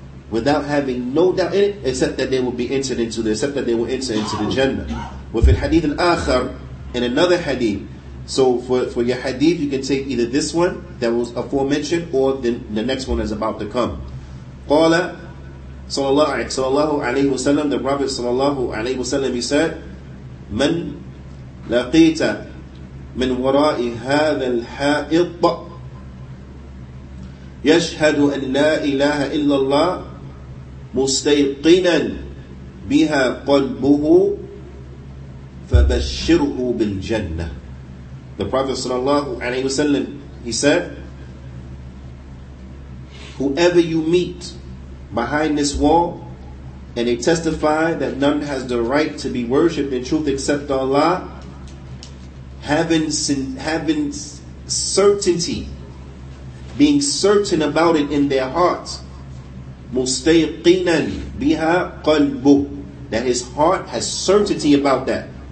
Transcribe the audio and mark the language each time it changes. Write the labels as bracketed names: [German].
[English] Without having no doubt in it, except that they will be entered into the, except that they will enter into the Jannah. Within hadith al-akhar, in another hadith. So for your hadith, you can take either this one that was aforementioned, or the next one is about to come. [Arabic] Qala sallallahu alayhi wa sallam, [English] the Prophet sallallahu alayhi wa sallam, he said, [Arabic] من لقيت من وراء هذا الحائط يشهد أن لا إله إلا الله مستيقنا بها قلبه فَبَشِّرْهُ بِالْجَنَّةِ. [English] The Prophet sallallahu alayhi wa sallam, he said, whoever you meet behind this wall and they testify that none has the right to be worshipped in truth except Allah, having certainty, being certain about it in their heart, [Arabic] مُسْتَيْقِنًا بِهَا قَلْبُهُ, [English] that his heart has certainty about that.